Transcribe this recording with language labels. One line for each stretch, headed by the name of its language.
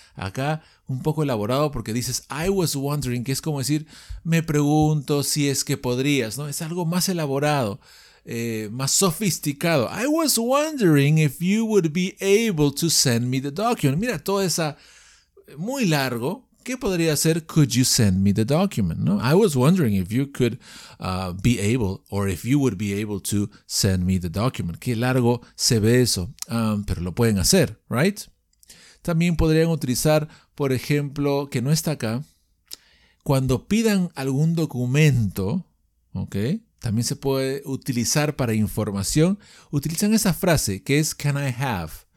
Spanish: Acá un poco elaborado porque dices
English: I was wondering,
Spanish: que es como decir me pregunto si es que podrías, ¿no? Es algo más elaborado, más sofisticado.
English: I was wondering if you would be able to send me the document.
Spanish: Mira, todo esa muy largo. ¿Qué podría hacer?
English: Could you send me the document? No, I was wondering if you could be able or if you would be able to send me the document.
Spanish: Qué largo se ve eso, pero lo pueden hacer, right? También podrían utilizar, por ejemplo, que no está acá, cuando pidan algún documento, ¿ok? También se puede utilizar para información. Utilizan esa frase que es can I have.